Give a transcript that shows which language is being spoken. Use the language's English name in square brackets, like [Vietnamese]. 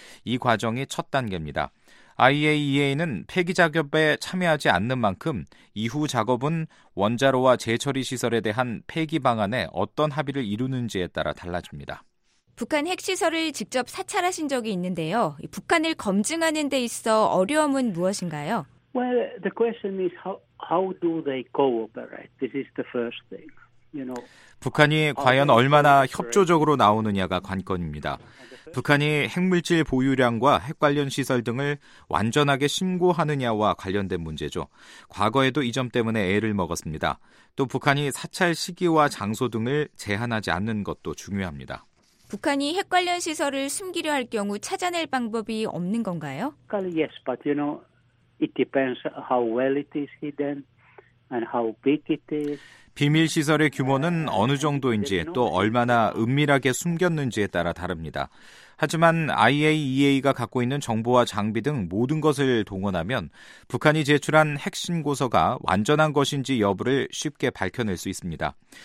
[Korean] 이 과정이 첫 단계입니다. IAEA는 폐기 작업에 참여하지 않는 만큼 이후 작업은 원자로와 재처리 시설에 대한 폐기 방안에 어떤 합의를 이루는지에 따라 달라집니다. 북한 핵시설을 직접 사찰하신 적이 있는데요. 북한을 검증하는 데 있어 어려움은 무엇인가요? [English] Well, the question is how do they cooperate? This is the first thing. [Korean] 북한이 과연 얼마나 협조적으로 나오느냐가 관건입니다. 북한이 핵물질 보유량과 핵 관련 시설 등을 완전하게 신고하느냐와 관련된 문제죠. 과거에도 이 점 때문에 애를 먹었습니다. 또 북한이 사찰 시기와 장소 등을 제한하지 않는 것도 중요합니다. 북한이 핵 관련 시설을 숨기려 할 경우 찾아낼 방법이 없는 건가요? [English] Yes, but you know, it depends how well it is hidden and how big it is. [Korean] 비밀시설의 규모는 어느 정도인지 또 얼마나 은밀하게 숨겼는지에 따라 다릅니다. 하지만 IAEA가 갖고 있는 정보와 장비 등 모든 것을 동원하면 북한이 제출한 핵신고서가 완전한 것인지 여부를 쉽게 밝혀낼 수 있습니다.